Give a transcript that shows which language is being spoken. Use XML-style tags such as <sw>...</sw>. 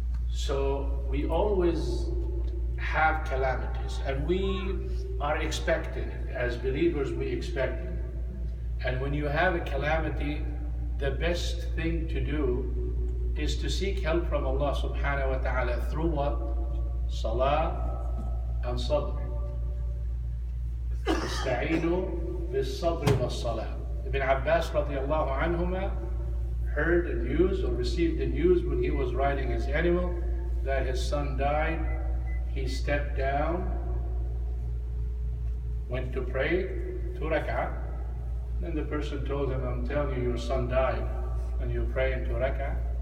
<en>So we always have calamities, and we are expecting it. As believers, we expect it. And when you have a calamity, the best thing to do is to seek help from Allah subhanahu wa ta'ala through what? Salah and sabr.</en> <ar>Ista'inu بالصبر والصلاة.</ar> <en>Ibn Abbas radiallahu anhuma heard the news or received the news when he was riding his animal that his son died. He stepped down, went to pray, two rak'ah. Then the person told him, I'm telling you, your son died, and you're praying two rak'ah.</en>